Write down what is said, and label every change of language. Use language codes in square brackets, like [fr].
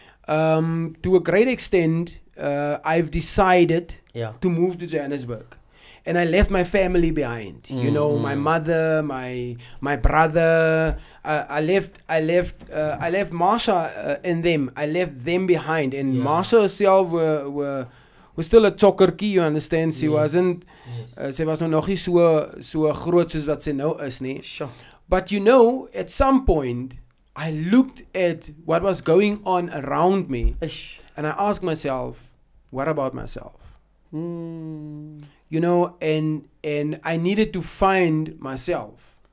[en] To a great extent, I've decided to move to Johannesburg. And I left my family behind. Mm-hmm. You know, my mother, my brother. I left Marsha and them. I left them behind. And Marsha herself was still a chokkerkie, you understand? She wasn't [af] so groot soos wat sy nou is, nie. [en] Sure. But you know, at some point, I looked at what was going on around me. Ish. And I asked myself, what about myself? Mm. You know, and I needed to find myself.